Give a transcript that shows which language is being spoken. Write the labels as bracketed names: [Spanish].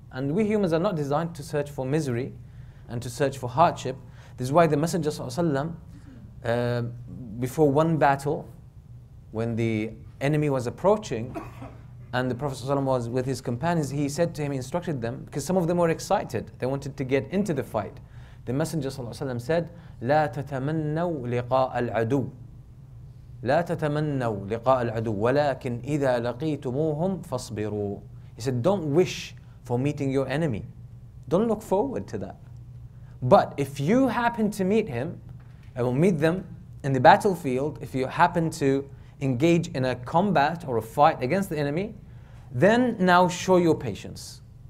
[English] And we humans are not designed to search for misery and to search for hardship. This is why the Messenger ﷺ, before one battle, when the enemy was approaching and the Prophet ﷺ was with his companions, he said to him, he instructed them, because some of them were excited, they wanted to get into the fight. The Messenger ﷺ said, [Arabic] لَا تَتَمَنَّوْا لِقَاءَ الْعَدُوِ لا تتمنوا لقاء العدو ولكن إذا لقيتموهم فاصبروا. [English] He said, don't wish for meeting your enemy. Don't look forward to that. But if you happen to meet him, or meet them in the battlefield, if you happen to engage in a combat or a fight against the enemy, then now show your patience.